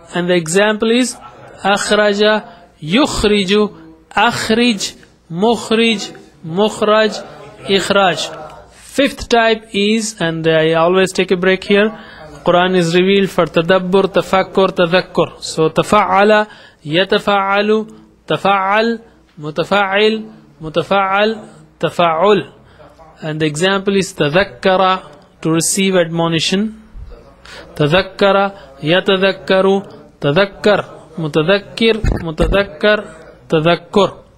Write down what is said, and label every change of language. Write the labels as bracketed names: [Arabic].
[English] And the example is [Arabic] أخرج يخرج أخرج مخرج مخرج إخراج. [English] Fifth type is, and I always take a break here, Quran is revealed for [Arabic] تدبر تفكر تذكر. So تفعل يتفعل تفعل متفعل متفعل تفعل. [English] And the example is تذكر, to receive admonition. [Arabic] تذكر يتذكر تذكر متذكر متذكر تذكر.